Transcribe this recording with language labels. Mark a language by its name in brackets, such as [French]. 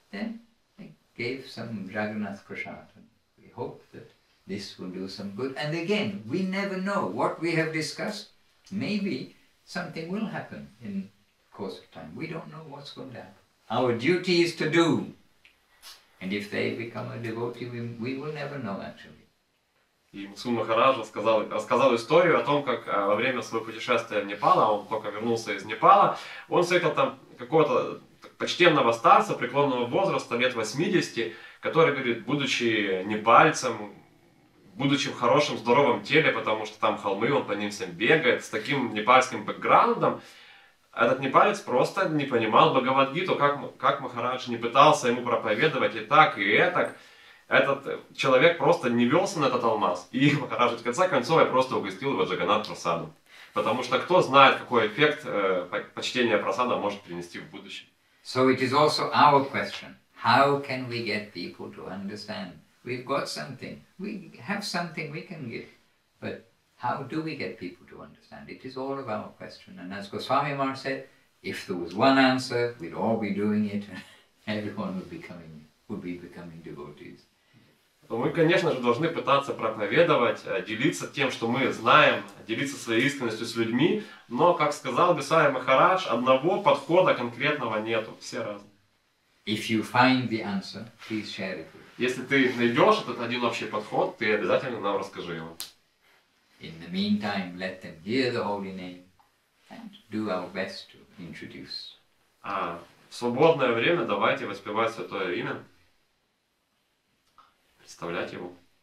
[English] Then I gave some Jagannath prasad, and we hope that this will do some good. And again, we never know what we have discussed. Maybe something will happen in the course of time. We don't know what's going to happen. Our duty is to do. And if they become a devotee, we will never know, actually. [Russian] И Мусу Махарадж рассказал историю о том, как во время своего путешествия в Непал, он только вернулся из Непала, он встретил там какого-то почтенного старца преклонного возраста, лет 80, который, говорит, будучи непальцем, будучи в хорошем, здоровом теле, потому что там холмы, он по ним всем бегает, с таким непальским бэкграундом, этот непалец просто не понимал Бхагавад-гиту, как Махарадж не пытался ему проповедовать и так, и этак. Этот человек просто не велся на этот алмаз. И Махарадж в конце концов я просто угостил его Джаганнат Прасадом. Потому что кто знает, какой эффект почтение Прасада может принести в будущем. [English] So it is also our question. How can we get people to understand? We've got something. We have something we can give. But how do we get people to understand? It is all of our question. And as Goswami Mar said, if there was one answer, we'd all be doing it, and everyone would be becoming devotees. [Russian] Мы, конечно же, должны пытаться проповедовать, делиться тем, что мы знаем, делиться своей искренностью с людьми, но, как сказал Бисай Махарадж, одного подхода конкретного нету, все разные. [English] If you find the answer, please share it with us. [Russian] Если ты найдешь этот один общий подход, ты обязательно нам расскажи его. [English] In the meantime, let them hear the holy name and do our best to introduce. [Russian] А в свободное время давайте воспевать святое имя, представлять его.